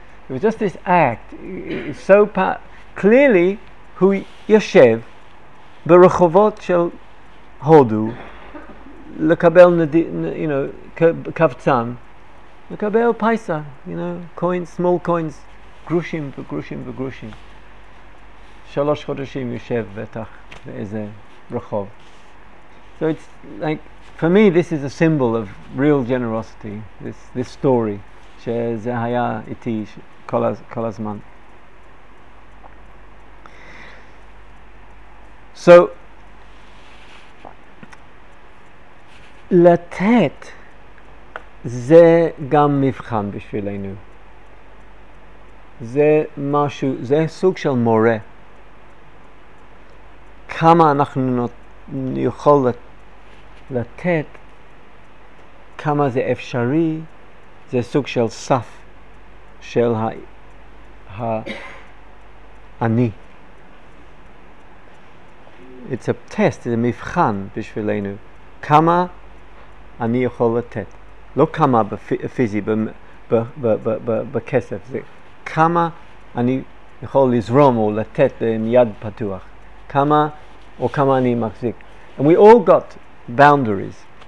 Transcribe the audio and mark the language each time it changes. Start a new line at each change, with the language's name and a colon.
English: It was just this act. So clearly,
Hebrew: הוא יושב ברחובות של הודו לקבל קבצן, לקבל פייסה,
English: coins, small coins,
Hebrew: גרושים וגרושים וגרושים. 3 חודשים יושב בטח באיזה רחוב.
English: So it's like, for me, this is a symbol of real generosity, this story,
Hebrew: שזה היה איתי כל הזמן.
English: So,
Hebrew: לתת זה גם מבחן בשבילנו. זה משהו, זה סוג של מורה. כמה אנחנו יכול לתת, כמה זה אפשרי, זה סוג של סף של אני.
English: It's a test,
Hebrew: זה מבחן בשבילנו. כמה אני יכול לתת. לא כמה פיזי, בכסף. זה כמה אני יכול לזרום או לתת עם יד פתוח. כמה או כמה אני מחזיק.
English: And we all got boundaries.